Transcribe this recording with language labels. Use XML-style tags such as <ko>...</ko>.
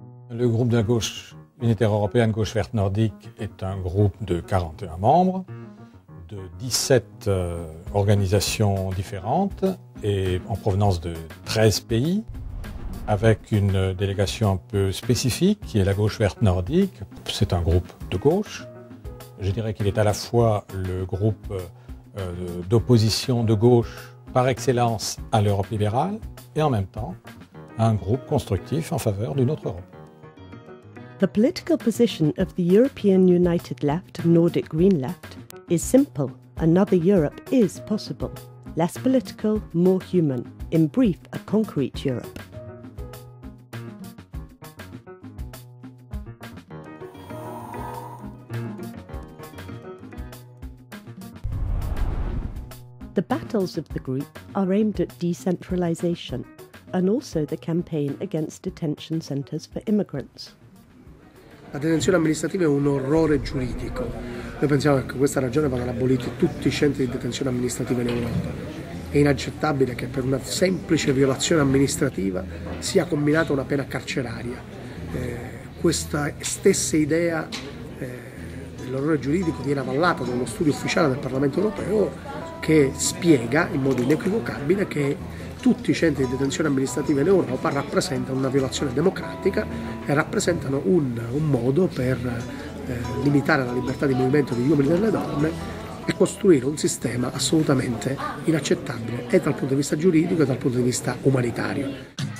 <fr>Le groupe de la gauche unitaire européenne, gauche verte nordique, est un groupe de 41 membres, de 17 organisations différentes et en provenance de 13 pays, avec une délégation un peu spécifique qui est la gauche verte nordique. C'est un groupe de gauche. Je dirais qu'il est à la fois le groupe d'opposition de gauche par excellence à l'Europe libérale et en même temps un groupe constructif en faveur d'une autre Europe.</fr> <en>The political position of the European United Left, Nordic Green Left, is simple. Another Europe is possible. Less political, more human. In brief, a concrete Europe. The battles of the group are aimed at decentralization and also the campaign against detention centers for immigrants.</en> <it>La detenzione amministrativa è un orrore giuridico. Noi pensiamo che questa ragione vada abolita in tutti i centri di detenzione amministrativa in Europa. È inaccettabile che per una semplice violazione amministrativa sia comminata una pena carceraria. Questa stessa idea dell'orrore giuridico viene avallata da uno studio ufficiale del Parlamento Europeo che spiega in modo inequivocabile che tutti i centri di detenzione amministrativa in Europa rappresentano una violazione democratica e rappresentano un modo per limitare la libertà di movimento degli uomini e delle donne e costruire un sistema assolutamente inaccettabile e dal punto di vista giuridico e dal punto di vista umanitario.</it>